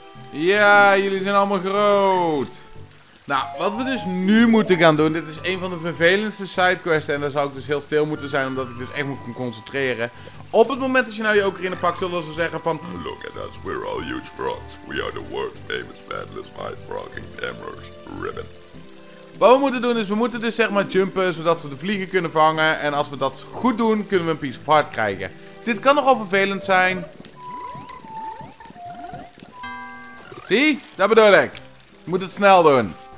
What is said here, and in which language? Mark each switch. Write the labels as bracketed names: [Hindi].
[Dutch] Ja, jullie zijn allemaal groot. Nou, wat we dus nu moeten gaan doen, dit is een van de vervelendste sidequests en daar zou ik dus heel stil moeten zijn omdat ik dus echt moet concentreren. Op het moment dat je nou je ocarina pakt, zullen ze zeggen van [English] look at us, we're all huge frogs. We are the world famous fabulous five frogging tamers, ribbon. [Dutch] Wat we moeten doen is, we moeten dus zeg maar jumpen zodat ze de vliegen kunnen vangen en als we dat goed doen, kunnen we een piece of heart krijgen. Dit kan nogal vervelend zijn. Zie, dat bedoel ik. Je moet het snel doen.